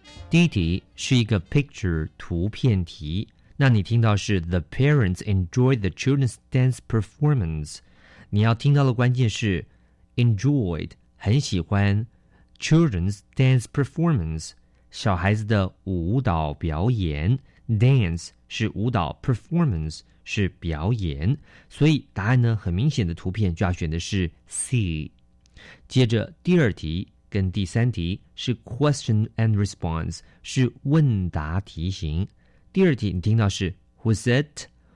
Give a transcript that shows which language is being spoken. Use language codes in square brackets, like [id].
[zh] 第一题是一个 picture 图片题。那你听到是 [en] The parents enjoy the children's dance performance. [zh] 你要听到的关键是 enjoyed. 很喜欢 [en] children's dance performance [zh] 小孩子的舞蹈表演 dance 是舞蹈 performance 是表演所以答案呢很明显的图片就要选的是 C 接着第二题跟第三题是 [en] question and response [zh] 是问答题型第二题你听到是 [en] who's it?